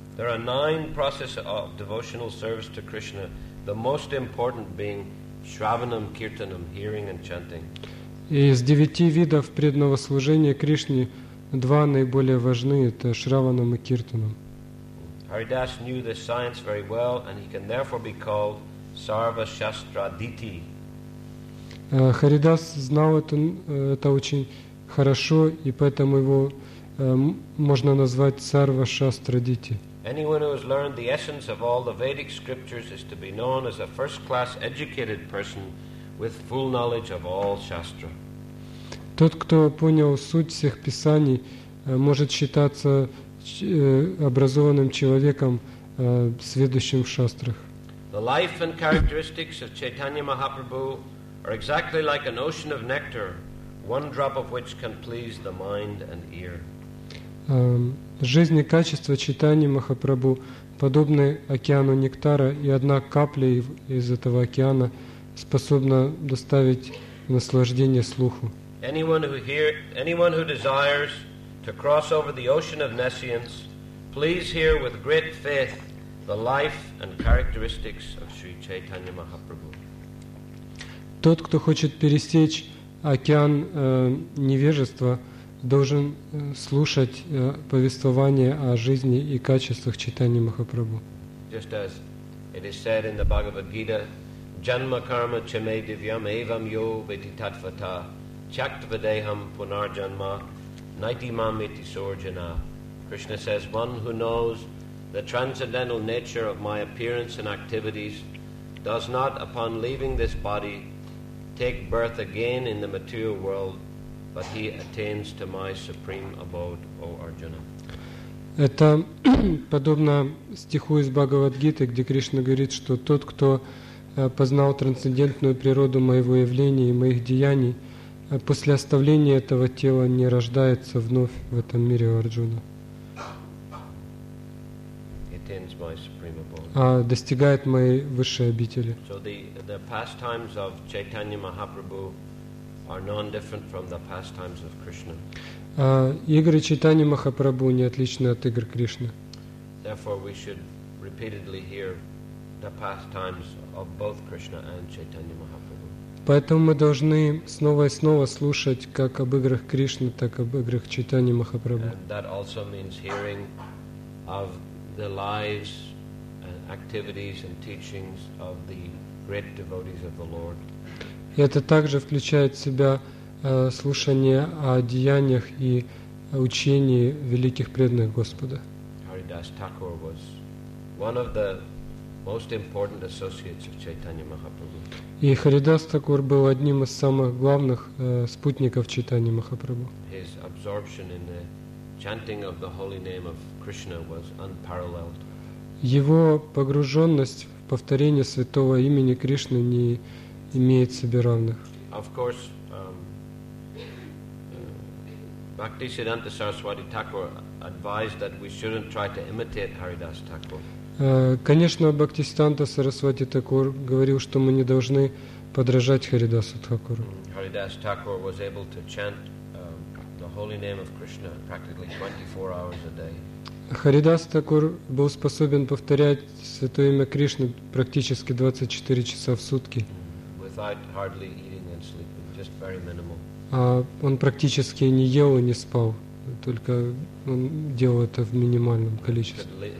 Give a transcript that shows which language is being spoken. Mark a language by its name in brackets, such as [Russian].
[English] There are nine processes of devotional service to Krishna, the most important being Shravanam Kirtanam, hearing and chanting. [Russian] Из девяти видов преданного служения Кришне два наиболее важны – это Шраванам и Киртанам. [English] Haridas knew this science very well, and he can therefore be called Sarva Shastra Diti. [Russian] Харидас знал это очень хорошо, и поэтому его можно назвать Sarva Shastra Diti. [English] Anyone who has learned the essence of all the Vedic scriptures is to be known as a first-class educated person with full knowledge of all shastra. [Russian] Тот, кто понял суть всех писаний, может считаться образованным человеком, сведущим в шастрах. [English] The life and characteristics of Chaitanya Mahaprabhu are exactly like an ocean of nectar, one drop of which can please the mind and ear. [Russian] Жизнь и качество Чайтаньи Махапрабху подобны океану нектара, и одна капля из этого океана способна доставить наслаждение слуху. [English] Anyone who desires to cross over the ocean of nescience, please hear with great faith the life and characteristics of Sri Chaitanya Mahaprabhu. [Russian] Тот, кто хочет пересечь океан невежества, должен слушать повествование о жизни и качествах Чайтаньи Махапрабху. [English] Just as it is said in the Bhagavad Gita, [Sanskrit] Janma Karma Chame Divyam Evam Yo Viti Tatvata Chaktvadeham Punar Janma Naiti Mam Iti Sorjana. [English] Krishna says, one who knows the transcendental nature of my appearance and activities does not, upon leaving this body, take birth again in the material world, but he attains to my supreme abode, O Arjuna. [Russian] Это подобно стиху из Бхагавад-гиты, где Кришна говорит, что тот, кто познал трансцендентную природу моего явления и моих деяний, после оставления этого тела не рождается вновь в этом мире, О Арджуна. [English] Attains my supreme abode. [Russian] А достигает моей высшей обители. [English] So the pastimes of Chaitanya Mahaprabhu are non-different from the pastimes of Krishna. [Russian] Игры читания Махапрабху не отличны от игр Кришны. [English] Therefore, we should repeatedly hear the pastimes of both Krishna and Chaitanya Mahaprabhu. [Russian] Поэтому мы должны снова и снова слушать как об играх Кришны, так и об играх Чайтаньи Махапрабху. [English] And that also means hearing of the lives and activities and teachings of the great devotees of the Lord. [Russian] И это также включает в себя слушание о деяниях и учении великих преданных Господа. [English] Haridas Thakur was one of the most important associates of Chaitanya Mahaprabhu. [Russian] И Харидас Такур был одним из самых главных спутников Чайтаньи Махапрабху. [English] His absorption in the chanting of the holy name of Krishna was unparalleled. [Russian] Его погруженность в повторение святого имени Кришны не имеет себе равных. [English] Of course, Bhaktisiddhanta Saraswati Thakur advised that we shouldn't try to imitate Haridas Thakur. [Russian] Конечно, Бхактисиддханта Сарасвати Такур говорил, что мы не должны подражать Харидасу Такуру. [English] Haridas Thakur was able to chant the holy name of Krishna practically 24 hours a day. [Russian] Харидас Такур был способен повторять святое имя Кришны практически 24 часа в сутки. [English] Without hardly eating and sleeping, just very minimal. [Russian] Он практически не ел и не спал. Только он делал это в минимальном количестве.